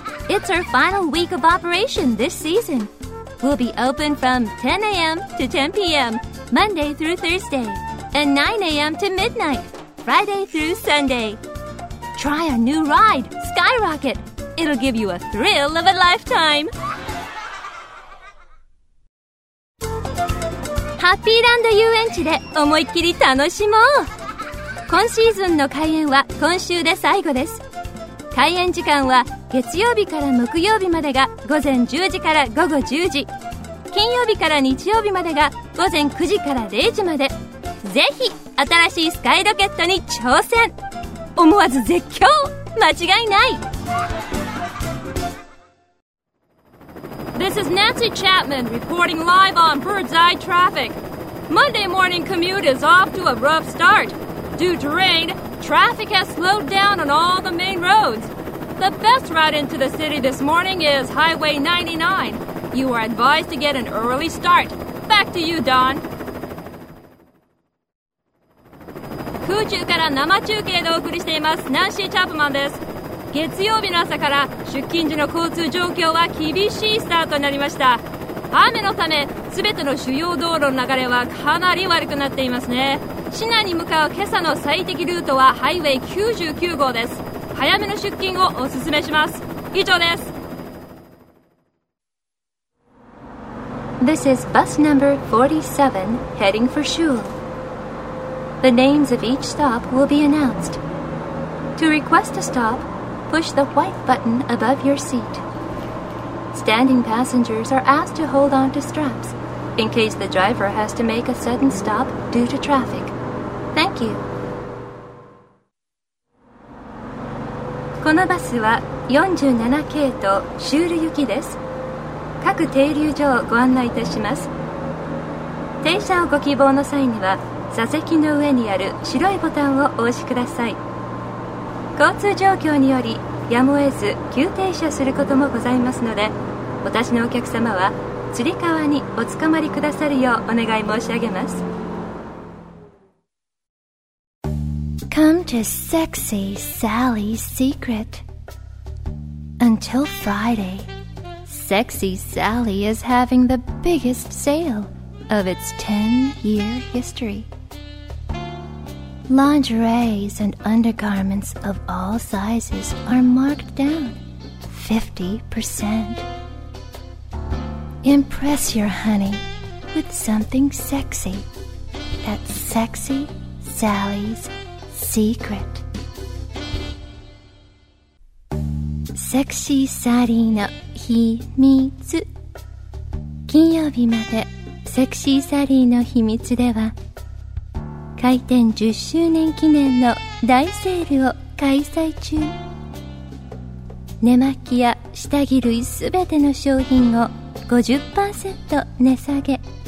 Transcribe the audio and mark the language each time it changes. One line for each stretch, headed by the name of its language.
English: It's our final week of operation this season. We'll be open from 10 a.m. to 10 p.m. Monday through Thursday, and 9 a.m. to midnight Friday through Sunday. Try our new ride, Skyrocket. It'll give you a thrill of a lifetime.
Japanese: ハッピーランド遊園地で思いっきり楽しもう。今シーズンの開園は今週で最後です。開園時間は月曜日から木曜日までが午前10時から午後10時、金曜日から日曜日までが午前9時から0時まで。ぜひ新しいスカイロケットに挑戦、思わず絶叫間違いない。
English: This is Nancy Chapman reporting live on Bird's Eye Traffic. Monday morning commute is off to a rough start. Due to rain, traffic has slowed down on all the main roads. The best route into the city this morning is Highway 99. You are advised to get an early start. Back to you, Don.
Japanese: 空中から生中継でお送りしています。ナンシー・チャップマンです。月曜日の朝から出勤時の交通状況は厳しいスタートになりました。雨のため、すべての主要道路の流れはかなり悪くなっていますね。市内に向かう今朝の最適ルートはハイウェイ99号です。早めの出勤をおすすめします。以上です。
English: This is bus number 47 heading for Shul. The names of each stop will be announced. To request a stop, push the white button above your seat. Standing passengers are asked to hold on to straps in case the driver has to make a sudden stop due to traffic. Thank you.
Japanese: このバスは47系統シュール行きです。各停留所をご案内いたします。停車をご希望の際には、座席の上にある白いボタンをお押しください。交通状況により、やむを得ず急停車することもございますので、お立ちのお客様は、つり革におつかまりくださるようお願い申し上げます。
English: Come to Sexy Sally's Secret. Until Friday, Sexy Sally is having the biggest sale of its 10-year history. Lingeries and undergarments of all sizes are marked down 50%. Impress your honey with something sexy at Sexy Sally'sSecret.
Japanese: Sexy Sally の秘密。金曜日まで Sexy Sally の秘密では、開店10周年記念の大セールを開催中。寝巻きや下着類すべての商品を 50% 値下げ。